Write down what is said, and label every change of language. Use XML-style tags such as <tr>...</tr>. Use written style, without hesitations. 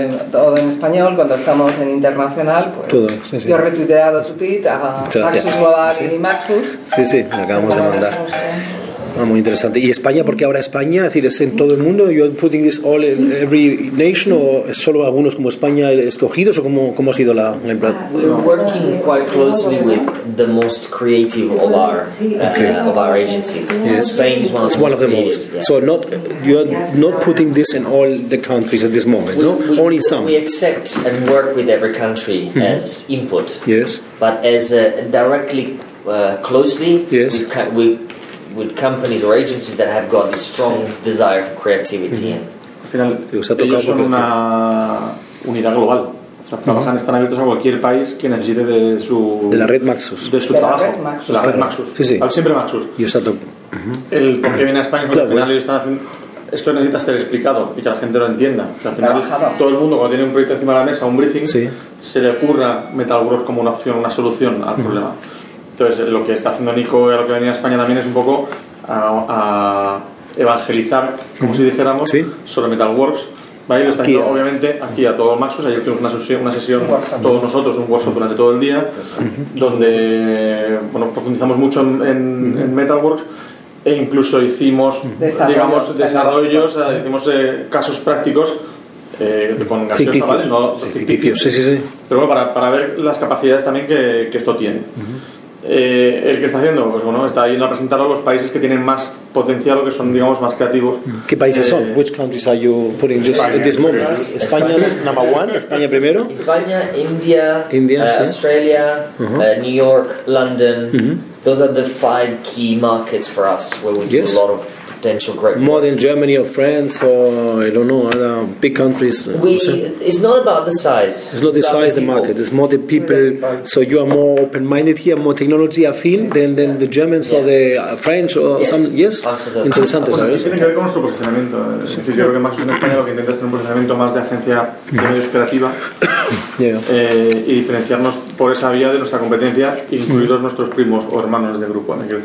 <es>Todo en español, cuando estamos en internacional, pues todo, sí, yo he retuiteado tu tweet a Maxus Global y Maxus. Sí, sí, lo acabamos de mandar. Ah, muy interesante. ¿Y España? ¿Por qué ahora España? Es decir, ¿es en todo el mundo?</es> <en>¿You're putting this all in every nation?</en> <es>¿O es solo algunos como España escogidos? ¿O cómo ha sido la implantación?</es> <en>We're working quite closely with the most creative of our, of our agencies. Yes. Spain is one of, one of the most. So not, you're not putting this in all the countries at this moment, no? Only some. We accept and work with every country as input. Yes. But as directly, closely, yes. we with companies or agencies that have got this strong desire for creativity.</en> <es>Al final, ellos son una unidad global. Trabajan, están abiertos a cualquier país que necesite de su... De la red Maxus. De su trabajo. De la red Maxus. Sí, sí. Al siempre Maxus. Y os ha tocado. El por qué viene a España, porque al final ellos están haciendo... Esto necesita ser explicado y que la gente lo entienda. O sea, al final, todo el mundo cuando tiene un proyecto encima de la mesa, un briefing, se le ocurra Metalworld como una opción, una solución al problema. Entonces, lo que está haciendo Nico y a lo que venía a España también es un poco a evangelizar, como si dijéramos, sobre Metalworks. ¿Vale? Lo está haciendo, obviamente, aquí a todos los Maxus. Ayer tuvimos una sesión, todos nosotros, un workshop durante todo el día, donde bueno, profundizamos mucho en Metalworks e incluso hicimos, digamos, desarrollos, hicimos casos prácticos. Con ficticios, sí, sí. Pero bueno, para ver las capacidades también que esto tiene. ¿El que está haciendo? Pues bueno, está yendo a presentar a los países que tienen más potencial o que son, digamos, más creativos. ¿Qué países son?</es> <en>Which countries are you putting this, España, at this moment? España, España number one, España primero. España, India, India Australia, New York, London. Those are the five key markets for us where we do a lot of potential growth. More than Germany or France or, I don't know, other big countries. It's not about the size. It's not the size of the market. It's more the people. So you are more open-minded here, more technology affine than the Germans or the French or some. Yes?</en> <es>Interesante. Tiene que ver con nuestro posicionamiento. Es decir, yo creo que Maxus en España lo que intenta es tener un posicionamiento más de agencia de medios creativa y diferenciarnos por esa vía de nuestra competencia, incluidos nuestros primos o hermanos de grupo.</es>